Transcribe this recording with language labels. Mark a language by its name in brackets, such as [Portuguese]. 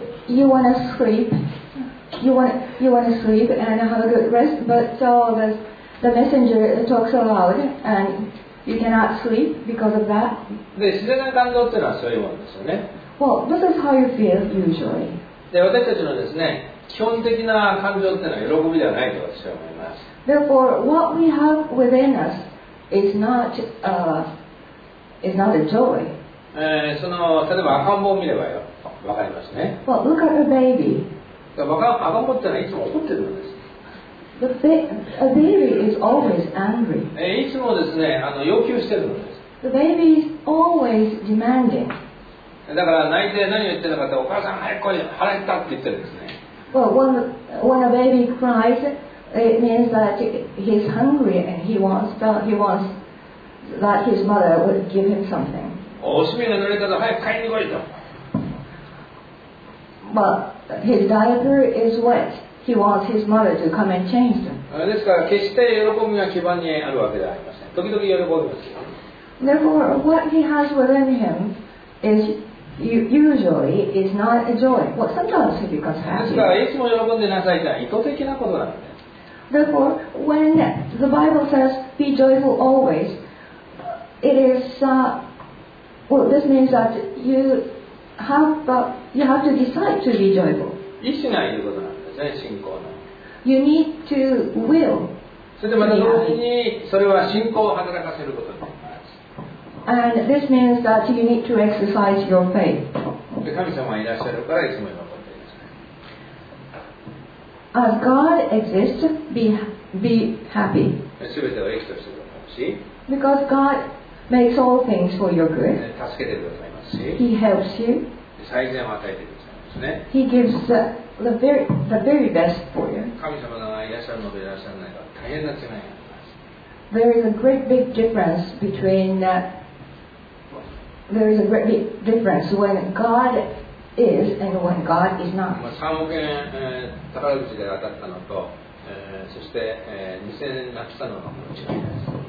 [English] You want to sleep and have a good rest, but the messenger talks so loud and. You cannot sleep because of that. [Japanese] で、自然な感動っていうのはそういうものですよね。 [English] Well, this is how you feel usually. [Japanese] で、私たちのですね、基本的な感情っていうのは喜びではないと私は思います。 [English] Therefore, what we have within us is not a joy. [Japanese] その例えば赤ん坊を見ればよ、わかりますね。 [English] Well, look at the baby. [Japanese] 赤ん坊っていうのはいつも怒ってるんです。 [English] A baby is always angry. [Japanese] いつもですね、要求してるんです。 [English] The baby is always demanding. [Japanese] だから泣いて何を言ってるのかって、お母さん早く来い、腹減ったって言ってるんですね。 [English] Well, when a baby cries, it means that he's hungry and he wants that his mother would give him something. [Japanese] お尻が濡れたら早く買いに来いと。 [English] But his diaper is wet. He wants his mother to come and change them. [Japanese] ですから決して喜びが基盤にあるわけではありません。時々喜びます。 [English] Therefore, what he has within him is usually is not a joy. What sometimes he becomes happy. [Japanese] ですからいつも喜んでなさいというのは意図的なことなんです。 [English] Therefore, when the Bible says be joyful always, it is this means that you have to decide to be joyful. [Japanese] 意志がいることなんです。信仰の。 [English] You need to will. [Japanese] それでまた同時にそれは信仰を働かせることになります。 [English] And this means that you need to exercise your faith. [Japanese] 神様がいらっしゃるからいつも喜んでいます。 [English] As God exists, be happy. [Japanese] すべてを益としてくださいし。 [English] Because God makes all things for your good. [Japanese] 助けてくださいますし。 [English] He helps you. [Japanese] 最善を与えてくださいますね。 [English] He gives the very best for you. [Japanese] 神様がいらっしゃるのといらっしゃらないのは大変な違いがあります。 [English] There is a great big difference between There is a great big difference when God is and when God is not. [Japanese] 3億円、宝くじで当たったのと、そして、2000円なくしたのが違います。